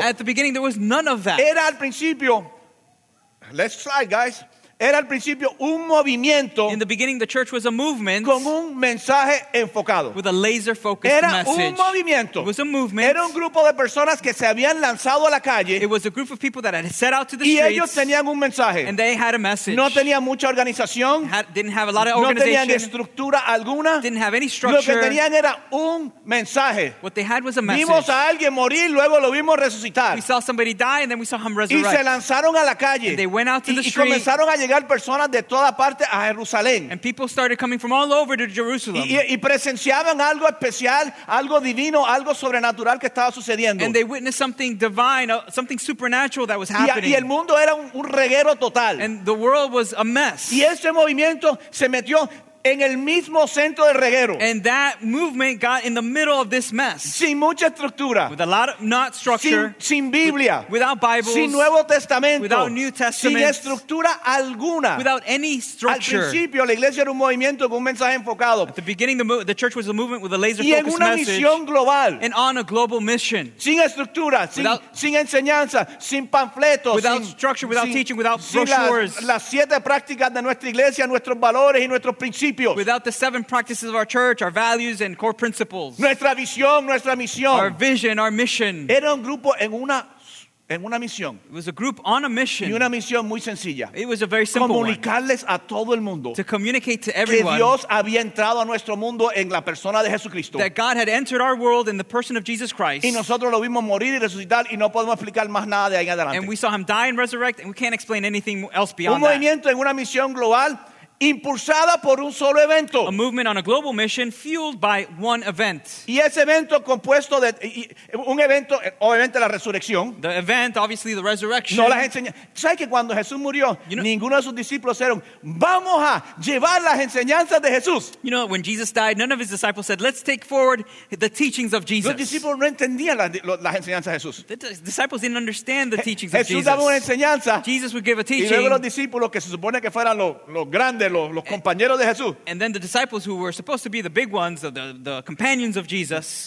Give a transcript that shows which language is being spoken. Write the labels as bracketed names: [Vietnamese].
[English] At the beginning there was none of that. [Spanish] Era al principio. [English] Let's try, guys. [Spanish] Era al principio un movimiento. [English] In the beginning, the church was a movement [Spanish] con un mensaje enfocado. [English] With a laser-focused [Spanish] era [English] message. [Spanish] Un movimiento. [English] It was a movement. [Spanish] Era un grupo de personas que se habían lanzado a la calle. [English] It was a group of people that had set out to the [Spanish] y [English] streets. [Spanish] Y ellos tenían un mensaje. [English] And they had a message. [Spanish] No tenían mucha organización. [English] Didn't have a lot of organization. [Spanish] No tenían estructura alguna. [English] Didn't have any structure. [Spanish] Lo que tenían era un mensaje. [English] What they had was a message. [Spanish] Vimos a alguien morir, luego lo vimos resucitar. [English] We saw somebody die, and then we saw him resurrect. [Spanish] Y se lanzaron a la calle. [English] And they went out to the street. [Spanish] Y comenzaron a llegar personas de toda parte a Jerusalén. [English] And people started coming from all over to Jerusalem. [Spanish] Y presenciaban algo especial, algo divino, algo sobrenatural que estaba sucediendo. [English] And they witnessed something divine, something supernatural that was happening. [Spanish] Y el mundo era un reguero total. [English] And the world was a mess. [Spanish] Y ese movimiento se metió en el mismo centro del reguero. [English] And that movement got in the middle of this mess. [Spanish] Sin mucha estructura. [English] With a lot of not structure. [Spanish] Sin Biblia. [English] Without Bibles. [Spanish] Sin Nuevo Testamento. [English] Without New Testament. [Spanish] Sin estructura alguna. [English] Without any structure. [Spanish] Al principio la iglesia era un movimiento con un mensaje enfocado. [English] At the beginning the church was a movement with a laser focused message. [Spanish] Y en una misión global. [English] And on a global mission. [Spanish] Sin estructura. Sin enseñanza. Sin panfletos. [English] Without structure. Without teaching. Without brochures. [Spanish] Sin las siete prácticas de nuestra iglesia, nuestros valores y nuestros principios. [English] Without the seven practices of our church, our values and core principles. [Spanish] Nuestra visión, nuestra misión. [English] Our vision, our mission. [Spanish] Era un grupo en una misión. [English] It was a group on a mission. [Spanish] Y una misión muy sencilla. [English] It was a very simple [Spanish] comunicarles [English] one. [Spanish] A todo el mundo. [English] To communicate to everyone. [Spanish] Que Dios había entrado a nuestro mundo en la persona de Jesucristo. [English] That God had entered our world in the person of Jesus Christ. [Spanish] Y nosotros lo vimos morir y resucitar y no podemos explicar más nada de ahí adelante. [English] And we saw him die and resurrect and we can't explain anything else beyond that. [Spanish] Un movimiento [English] that. [Spanish] En una misión global impulsada por un solo evento. [English] A movement on a global mission fueled by one event. [Spanish] Y ese evento compuesto de un evento, obviamente la resurrección. [English] The event, obviously the resurrection. [Spanish] No las enseñanzas. ¿Sabes que cuando Jesús murió, [English] you know, [Spanish] ninguno de sus discípulos dijeron, vamos a llevar las enseñanzas de Jesús? [English] You know, when Jesus died, none of his disciples said, let's take forward the teachings of Jesus. [Spanish] Los discípulos no entendían las enseñanzas de Jesús. [English] The disciples didn't understand the teachings [Spanish] Jesús [English] of Jesus. [Spanish] Jesús daba una enseñanza. [English] Jesus would give a teaching. [Spanish] Y luego los discípulos, que se supone que fueran los grandes, de los compañeros de Jesús. [English] And then the disciples who were supposed to be the big ones, the companions of Jesus.